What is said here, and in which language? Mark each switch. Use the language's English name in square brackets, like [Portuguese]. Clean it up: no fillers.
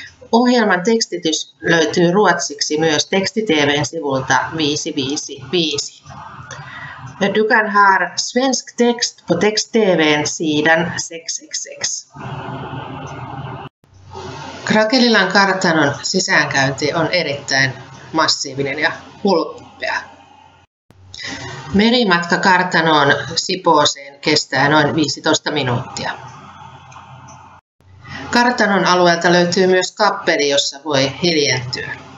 [Finnish] Ohjelman tekstitys löytyy ruotsiksi myös Teksti-TV:n sivulta 555. [Swedish] Du kan ha svensk text på Text-TV:n sidan 666. [Finnish] Krakelilan kartanon sisäänkäynti on erittäin massiivinen ja hulppea. Merimatka kartanoon Sipooseen kestää noin 15 minuuttia. Kartanon alueelta löytyy myös kappeli, jossa voi hiljentyä.